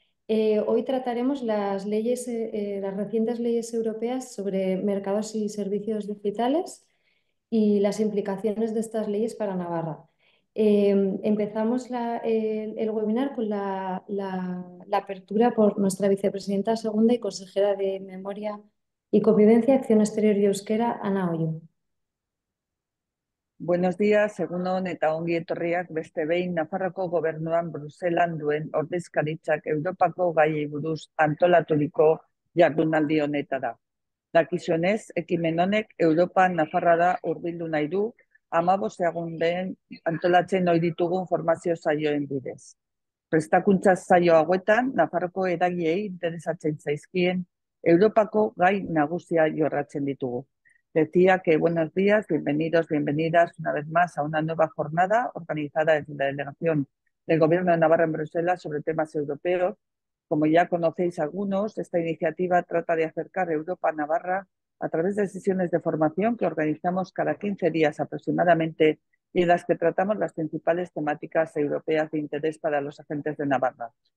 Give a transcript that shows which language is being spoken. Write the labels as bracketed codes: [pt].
[es] Hoy trataremos las recientes leyes europeas sobre mercados y servicios digitales y las implicaciones de estas leyes para Navarra. Empezamos el webinar con la apertura por nuestra vicepresidenta segunda y consejera de Memoria y Convivencia, Acción Exterior y Euskera, Ana Ollo. Buenos días, [eu] egunon eta ongi etorriak beste behin Nafarroko gobernuan Bruselan duen ordezkaritzak Europako gaiei buruz antolaturiko jardunaldi honetara. Dakizuenez, ekimen honek Europa Nafarrara hurbildu nahi du 15 egun lehen antolatzen ohi ditugun formazio saioen bidez. Prestakuntza saio hauetan Nafarroko eragileei interesatzen zaizkien Europako gai nagusia jorratzen ditugu. [es] Decía que buenos días, bienvenidos, bienvenidas una vez más a una nueva jornada organizada desde la Delegación del Gobierno de Navarra en Bruselas sobre temas europeos. Como ya conocéis algunos, esta iniciativa trata de acercar Europa a Navarra a través de sesiones de formación que organizamos cada 15 días aproximadamente y en las que tratamos las principales temáticas europeas de interés para los agentes de Navarra.